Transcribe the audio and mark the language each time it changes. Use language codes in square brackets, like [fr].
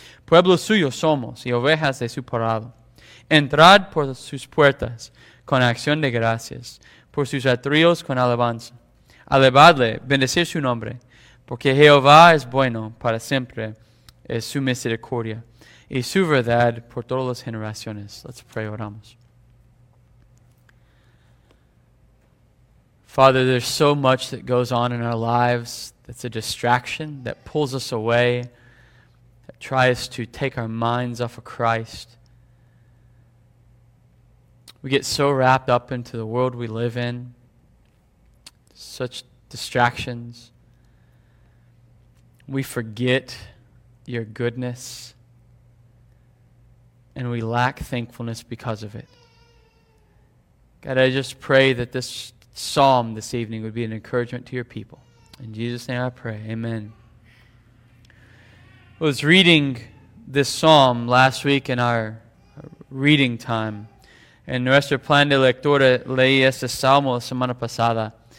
[es] Pueblo suyo somos, y ovejas de su prado. Entrad por sus puertas con acción de gracias, por sus atrios con alabanza. Alabadle, bendecir su nombre, porque Jehová es bueno para siempre, es su misericordia, y su verdad por todas las generaciones. [en] Let's pray, [es] oramos. [en] Father, there's so much that goes on in our lives that's a distraction, that pulls us away, that tries to take our minds off of Christ. We get so wrapped up into the world we live in, such distractions. We forget your goodness, and we lack thankfulness because of it. God, I just pray that this psalm this evening would be an encouragement to your people. In Jesus' name I pray, amen. I was reading this psalm last week in our reading time. [es] En nuestro plan de lectura leí este salmo la semana pasada.